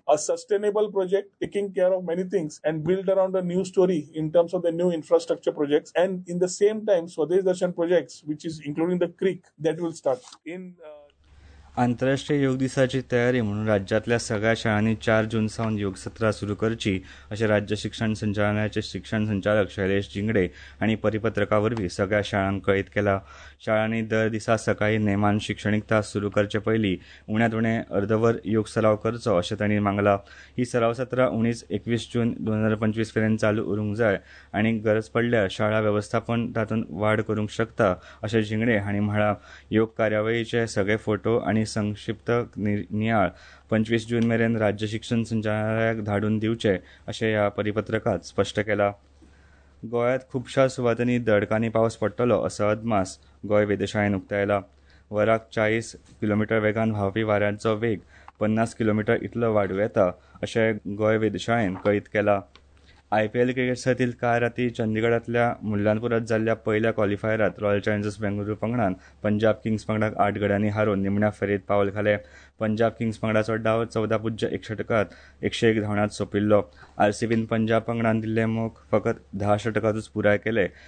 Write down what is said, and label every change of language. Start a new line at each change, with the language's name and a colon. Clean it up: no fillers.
English: A sustainable project taking care of many things and build around a new story in terms of the new infrastructure project and in the same time Swadesh Darshan project which is including the creek that will start in.
Goan Konkani: आंतरराष्ट्रीय योग दिसाची तयारी म्हणून राज्यातल्या सगळ्या शाळांनी 4 जून सावन योग सत्रां सुरू करची अशें राज्य शिक्षण संचालनाचे शिक्षण संचालक शैलेश जिंगडे हांणी परिपत्रकावरवीं सगळ्या शाळांक कळीत केला. शाळांनी दर दिसा सकाळी नेमान शिक्षणीक तास सुरू करचे पयलीं उण्यांत उणें अर्दवर योग सराव करचो अशें तांणी मांगला. ही सराव सत्रां 21 जून 2025 पर्यंत चालू उरूंक जाय आनी गरज पडल्यार शाळा वेवस्थापन तातूंत वाड करूंक शकता अशें जिंगडे हांणी म्हळां. योग कार्यावळीचे सगळे फोटो आनी संक्षिप्त नियाळ 25 जून मेरेन राज्य शिक्षण संचालनालयाक धाडून दिवचे अशें ह्या परिपत्रकांत स्पश्ट केला. गोंयांत खुबशा सुवातांनी दडकांनी पावस पडटलो असो अदमास गोंय वेधशाळेन उक्तायला. वराक 40 किलोमिटर वेगान व्हांवपी वाऱ्यांचो वेग 50 किलोमिटर इतलो वाडूं येता अशें गोंय वेधशाळेन कळीत केला. आयपीएल क्रिकेट सर्तीत काल राती चंदीगडांतल्या मुल्लानपुरांत जाल्ल्या पहिल्या क्वॉलिफायरांत रॉयल चॅलेंजर्स बेंगळुरू पंगडान पंजाब किंग्स पंगडाक 8 गड्यांनी हारून निमण्या फेरयेंत पावल घाले. पंजाब किंग्स पंगडाचो डाव 14.1 षटकांत 101 धांवडांत सोपिल्लो. आरसीबीन पंजाब पंगडान दिल्ले मोख फकत 10 षटकांतूच पुराय केले.